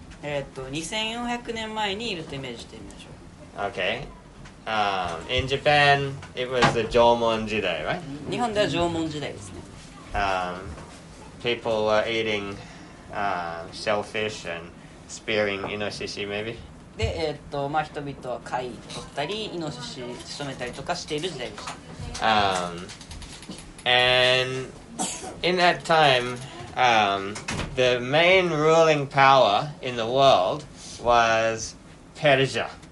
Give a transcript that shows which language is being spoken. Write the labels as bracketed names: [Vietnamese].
[Japanese] 2400年前にいるとイメージしてみましょう。 [English] Okay. In Japan, it was the Jomon 時代, right? [Japanese] 日本では縄文時代ですね。 [English] People were eating shellfish and spearing inoshishi, maybe? [Japanese] で、人々は貝を取ったり、イノシシを仕留めたりとかしている時代でした。 [English] And in that time, the main ruling power in the world was Persia.